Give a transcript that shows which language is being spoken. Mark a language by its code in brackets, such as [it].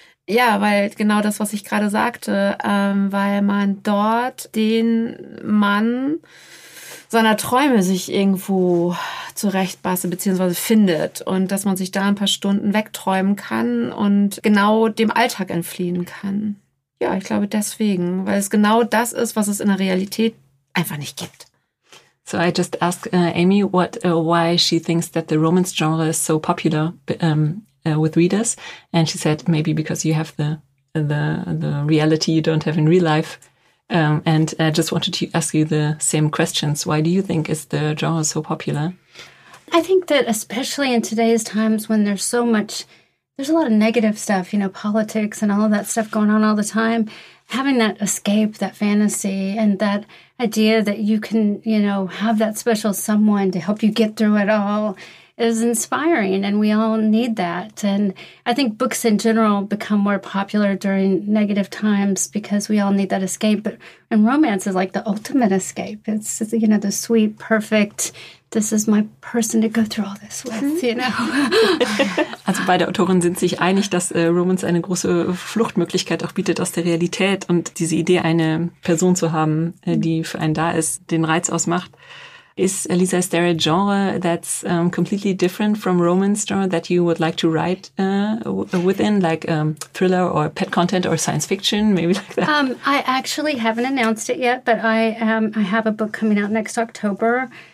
[de] Ja, weil genau das, was ich gerade sagte, weil man dort den Mann seiner Träume sich irgendwo zurechtbastelt bzw. findet und dass man sich da ein paar Stunden wegträumen kann und genau dem Alltag entfliehen kann. Ja, ich glaube deswegen, weil es genau das ist, was es in der Realität einfach nicht gibt. [en] So I just ask Amy what why she thinks that the romance genre is so popular with readers, and she said maybe because you have the reality you don't have in real life, and I just wanted to ask you the same questions. Why do you think is the genre so popular? I think that especially in today's times when there's so much, there's a lot of negative stuff, you know, politics and all of that stuff going on all the time, having that escape, that fantasy, and that idea that you can, you know, have that special someone to help you get through it all is inspiring, and we all need that. And I think books in general become more popular during negative times because we all need that escape. But and romance is like the ultimate escape. It's, you know, the sweet, perfect, this is my person to go through all this with, you know. [de] Also beide Autorinnen sind sich einig, dass Romance eine große Fluchtmöglichkeit auch bietet aus der Realität und diese Idee, eine Person zu haben, die für einen da ist, den Reiz ausmacht. [en] Is there a genre that's completely different from romance genre that you would like to write within, like thriller or pet content or science fiction, maybe like that? I actually haven't announced it yet, but I have a book coming out next October.